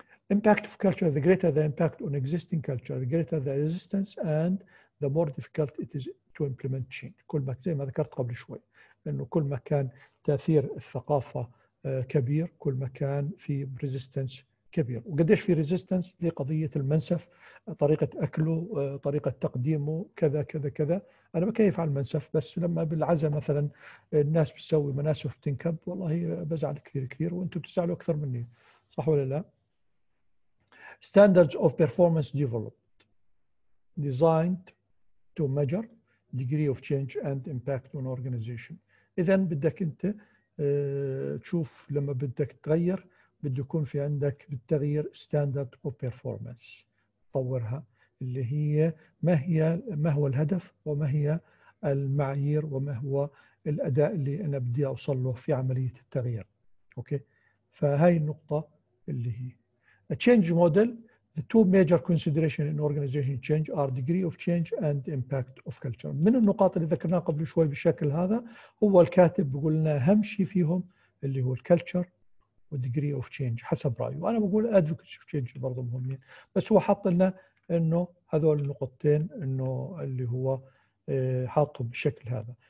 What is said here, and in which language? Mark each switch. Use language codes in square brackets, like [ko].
[en] Impact of culture, the greater the impact on existing culture the greater the resistance and the more difficult it is to implement change. [ar] كل ما زي ما ذكرت قبل شوي انه كل ما كان تاثير الثقافه كبير كل ما كان في ريزيستنس كبير. وقديش في ريزيستنس لقضيه المنسف، طريقه اكله، طريقه تقديمه، كذا كذا كذا. انا بكيف على المنسف، بس لما بالعزاء مثلا الناس بتسوي مناسف بتنكب، والله بزعل كثير كثير وانتم بتزعلوا اكثر مني، صح ولا لا؟ [en] standards of performance developed designed to measure degree of change and impact on organization. [ar] إذن بدك أنت تشوف لما بدك تغير بده يكون في عندك بالتغيير ستاندرد وبرفورمانس تطورها، اللي هي ما هي ما هو الهدف وما هي المعايير وما هو الأداء اللي أنا بدي أوصل له في عملية التغيير. أوكي، فهاي النقطة اللي هي [en] a change model. The two major considerations in organization change are degree of change and impact of culture. [ar] من النقاط اللي ذكرناها قبل شوي بالشكل هذا، هو الكاتب بيقول لنا أهم شيء فيهم اللي هو الكالتشر وال [en] degree of change [ar] حسب رأيه، وأنا بقول [en] advocacy of change [ar] برضو مهمين، بس هو حط لنا إنه هذول النقطتين إنه اللي هو حاطهم بالشكل هذا.